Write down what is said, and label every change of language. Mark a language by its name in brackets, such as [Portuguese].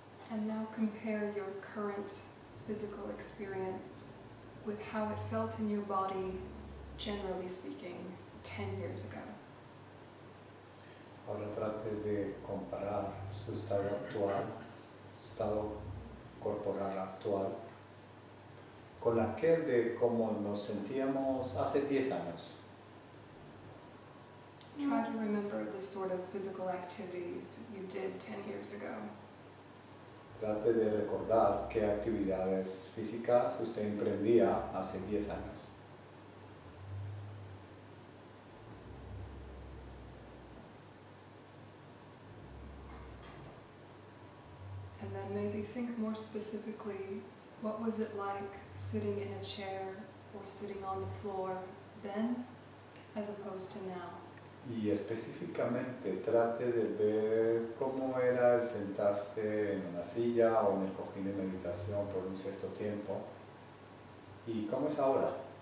[English] And now compare your current physical experience with how it felt in your body, generally speaking, 10 years ago. [Spanish] Ahora trate de comparar su estado actual, estado corporal actual, con aquel de cómo nos sentíamos hace 10 años. [English] Try to remember the sort of physical activities you did 10 years ago. [Spanish] Trate de recordar qué actividades físicas usted emprendía hace 10 años. [English] And then maybe think more specifically, what was it like sitting in a chair or sitting on the floor then as opposed to now? [Spanish] Y específicamente trate de ver cómo era el sentarse en una silla o en el cojín de meditación por un cierto tiempo y cómo es ahora.